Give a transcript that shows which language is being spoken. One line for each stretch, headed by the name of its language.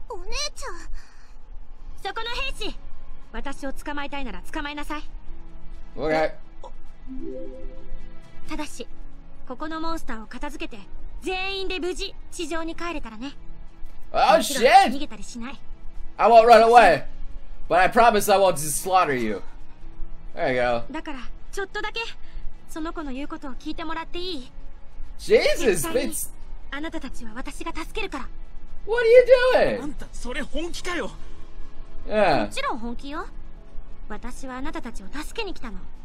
Japanese: お姉ちゃん、そこの兵士、私を捕まえたいなら捕まえなさい。オッケー。ただし、ここのモンスターを片付けて、全員で無事地上に帰れたらね。あ、シェ。逃げたりしない。
English: I won't run away. But I promise I won't just slaughter you. There you go.
Japanese: だから、ちょっとだけその子の言うことを聞いてもらっていい?
English: Jesus, it's...
Japanese: あなたたちは私が助けるから。
English: What are you doing?
Japanese: あんた、それ本気かよ?
English: Yeah.
Japanese: もちろん本気よ。私はあなたたちを助けに来たの。